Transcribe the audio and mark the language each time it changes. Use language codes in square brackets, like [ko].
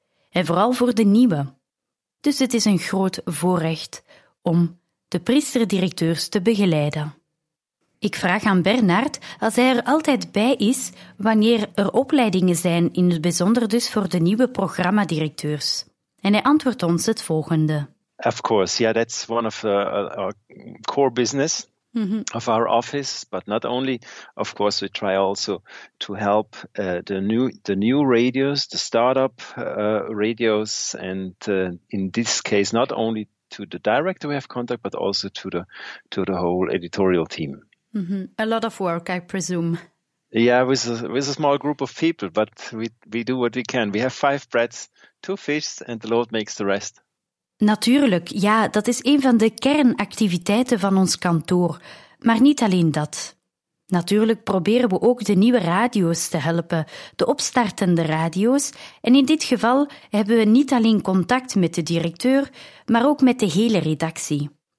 [nl] En vooral voor de nieuwe. Dus het is een groot voorrecht om de priesterdirecteurs te begeleiden. Ik vraag aan Bernard als hij er altijd bij is wanneer er opleidingen zijn, in het bijzonder dus voor de nieuwe programmadirecteurs. En hij antwoordt ons het volgende. [en] Of course, yeah, that's one of our core business. Mm-hmm. Of our office, but not only. Of course, we try also to help the new radios, the startup radios, and in this case, not only to the director we have contact, but also to the whole editorial team. Mm-hmm. A lot of work, I presume. Yeah, with a small group of people, but we do what we can. We have 5 breads, 2 fish, and the Lord makes the rest. [nl] Natuurlijk, ja, dat is een van de kernactiviteiten van ons kantoor. Maar niet alleen dat. Natuurlijk proberen we ook de nieuwe radio's te helpen, de opstartende radio's. En in dit geval hebben we niet alleen contact met de directeur, maar ook met de hele redactie.